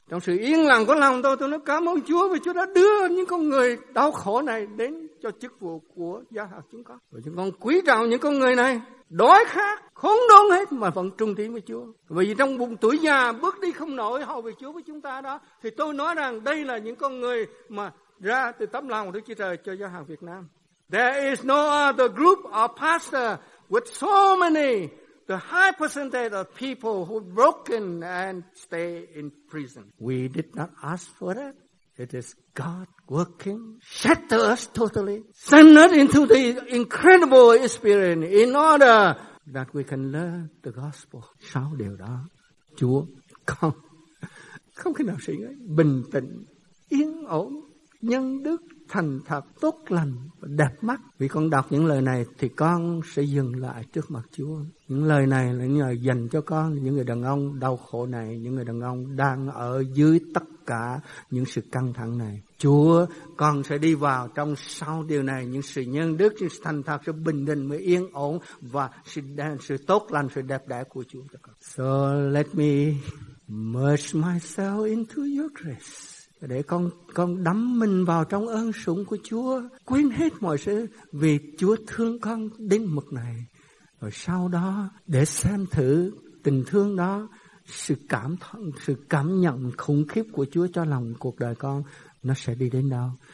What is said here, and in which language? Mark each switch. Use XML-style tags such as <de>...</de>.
<vi>Trong sự yên lặng của lòng tôi nói cảm ơn Chúa vì Chúa đã đưa những con người đau khổ này đến cho chức vụ của giáo hàng chúng con. Và chúng con quý trọng những con người này, đói khát, khốn đốn hết mà vẫn trung tín với Chúa. Vì trong bụng tuổi già bước đi không nổi hầu về Chúa với chúng ta đó, thì tôi nói rằng đây là những con người mà ra từ tấm lòng của Đức Chúa Trời cho giáo hàng Việt Nam.</vi> <en>There is no other group of pastors with so many, the high percentage of people who are broken and stay in prison. We did not ask for that. It is God working, shatter us totally, send us into the incredible experience in order that we can learn the gospel.</en> <vi>Sau điều đó, Chúa, con, không khi nào suy nghĩ, bình tĩnh, yên ổn, nhân đức, thành thật, tốt lành, đẹp mắt. Vì con đọc những lời này thì con sẽ dừng lại trước mặt Chúa. Những lời này là những lời dành cho con, những người đàn ông đau khổ này, những người đàn ông đang ở dưới tất cả những sự căng thẳng này. Chúa, con sẽ đi vào trong sau điều này, những sự nhân đức, sự thành thật, sự bình định, sự yên ổn và sự tốt lành, sự đẹp đẽ của Chúa cho con.</vi> <en>So let me merge myself into your grace.</en> <vi>Để con đắm mình vào trong ơn sủng của Chúa, quên hết mọi sự vì Chúa thương con đến mức này. Rồi sau đó để xem thử tình thương đó, sự cảm nhận khủng khiếp của Chúa cho lòng cuộc đời con, nó sẽ đi đến đâu.</vi>